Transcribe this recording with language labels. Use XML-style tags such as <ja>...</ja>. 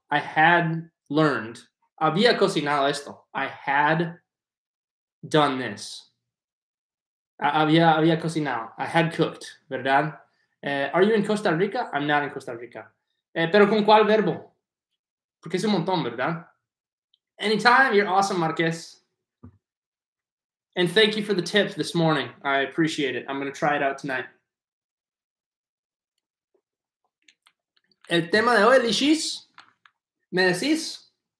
<en>I had learned.</en> <es>Había cocinado esto.</es> <en>I had done this.</en> <es>Había cocinado.</es> <en>I had cooked, ¿verdad? Are you in Costa Rica? I'm not in Costa Rica.</en> <es>Pero ¿con cuál verbo? Porque es un montón, ¿verdad?</es> <en>Anytime, you're awesome, Marquez. And thank you for the tips this morning. I appreciate it. I'm going to try it out tonight.</en> <es>El tema de hoy, Lishis, ¿me decís?</es>